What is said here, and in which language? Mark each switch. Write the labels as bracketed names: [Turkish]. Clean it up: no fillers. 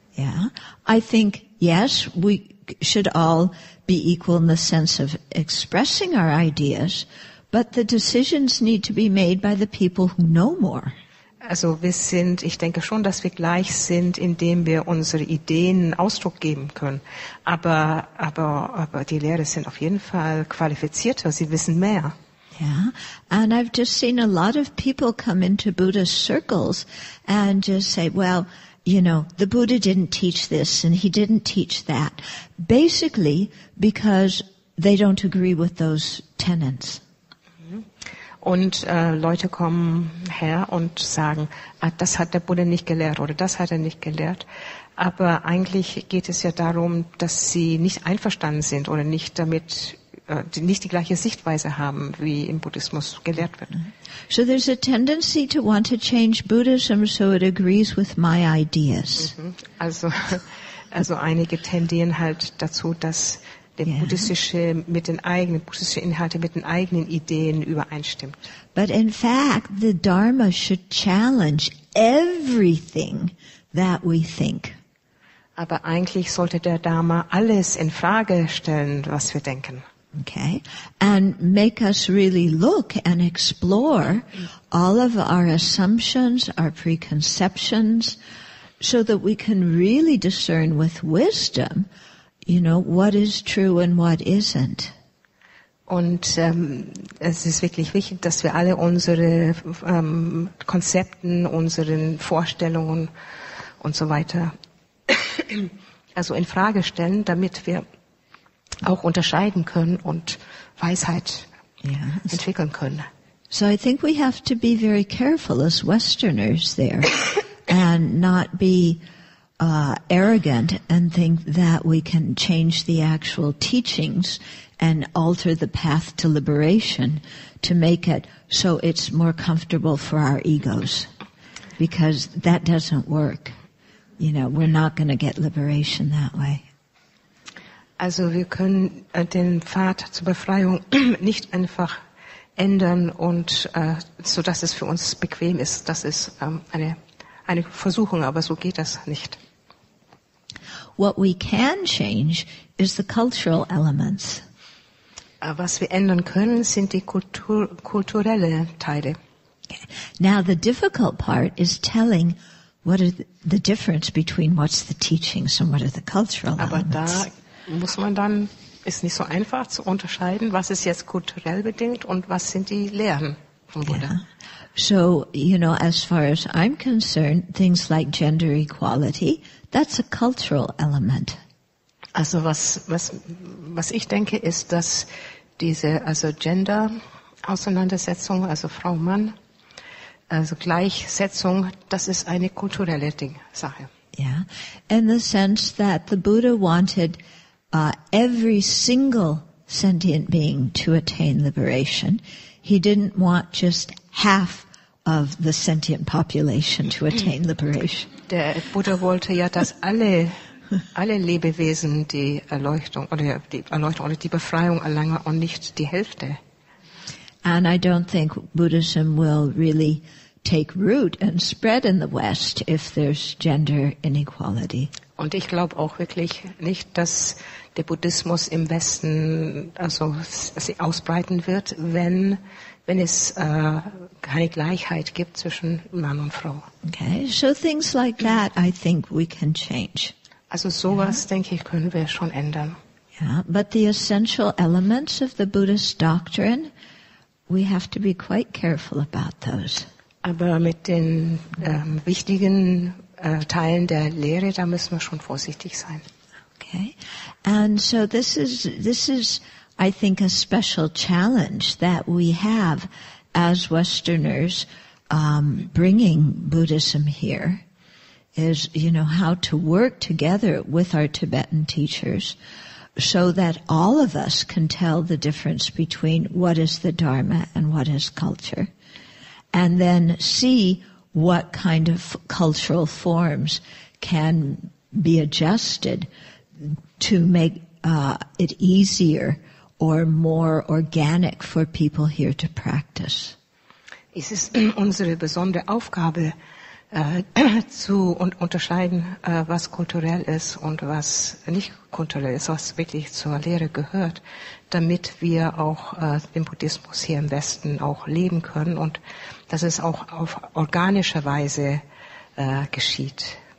[English] Yeah, I think yes, we should all be equal in the sense of expressing our ideas, but the decisions need to be made by the people who know more. [German] Also ich denke schon, dass wir gleich sind, indem wir unsere Ideen Ausdruck geben können. Aber die Lehrer sind auf jeden Fall qualifizierter, sie wissen mehr. [English] Yeah. And I've just seen a lot of people come into Buddhist circles and just say, well, you know, the Buddha didn't teach this and he didn't teach that. Basically, because they don't agree with those tenets. [German] Und Leute kommen her und sagen, das hat der Buddha nicht gelehrt oder das hat er nicht gelehrt. Aber eigentlich geht es ja darum, dass sie nicht einverstanden sind oder nicht damit, nicht die gleiche Sichtweise haben, wie im Buddhismus gelehrt wird. [English] So there's a tendency to want to change Buddhism so it agrees with my ideas. [German] Also einige tendieren halt dazu, dass der buddhistische mit den eigenen buddhistischen Inhalte mit den eigenen Ideen übereinstimmt. [English] But in fact, the Dharma should challenge everything that we think. [German] Aber eigentlich sollte der Dharma alles in Frage stellen, was wir denken. [English] Okay, and make us really look and explore all of our assumptions, our preconceptions, so that we can really discern with wisdom. You know, what is true and what isn't. [German] Und es ist wirklich wichtig, dass wir alle unsere Konzepten, unseren Vorstellungen und so weiter also in Frage stellen, damit wir auch unterscheiden können und Weisheit entwickeln können. [English] So I think we have to be very careful as Westerners there and not be arrogant and think that we can change the actual teachings and alter the path to liberation to make it so it's more comfortable for our egos. Because that doesn't work. You know, we're not going to get liberation that way. [German] Also wir können den Pfad zur Befreiung nicht einfach ändern und so dass es für uns bequem ist. Das ist eine Versuchung, aber so geht das nicht. [English] What we can change is the cultural elements. [German] Was wir ändern können, sind die kulturelle Teile. [English] Now the difficult part is telling what are the difference between what's the teachings and what are the cultural [German] Aber [English] elements. [German] Aber da muss man dann, ist nicht so einfach zu unterscheiden, was ist jetzt kulturell bedingt und was sind die Lehren vom Buddha. [English] Yeah. So, you know, as far as I'm concerned, things like gender equality, that's a cultural element. [German] Also was ich denke, ist, dass diese, also Gender-Auseinandersetzung, also Frau-Mann, also Gleichsetzung, das ist eine kulturelle Sache. [English] Yeah, in the sense that the Buddha wanted every single sentient being to attain liberation. He didn't want just half of the sentient population to attain liberation. [German] Der Buddha wollte ja, dass alle alle Lebewesen die Erleuchtung oder die Befreiung erlangen und nicht die Hälfte. [English] And I don't think Buddhism will really take root and spread in the West if there's gender inequality. [German] Und ich glaube auch wirklich nicht, dass der Buddhismus im Westen also sich ausbreiten wird, wenn es keine Gleichheit gibt zwischen Mann und Frau. [English] Okay, so things like that I think we can change. [German] Also sowas, yeah, denke ich, können wir schon ändern. [English] Yeah, but the essential elements of the Buddhist doctrine, we have to be quite careful about those. [German] Aber mit den wichtigen Teilen der Lehre, da müssen wir schon vorsichtig sein. [English] Okay. And so this is I think a special challenge that we have as Westerners, bringing Buddhism here, is, you know, how to work together with our Tibetan teachers so that all of us can tell the difference between what is the Dharma and what is culture, and then see what kind of cultural forms can be adjusted to make it easier or more organic for people here to practice. [German] Es ist unsere besondere Aufgabe, zu unterscheiden, was kulturell ist und was nicht kulturell ist, was wirklich zur Lehre gehört, damit wir auch den Buddhismus hier im Westen auch leben können und dass es auch auf organische Weise geschieht.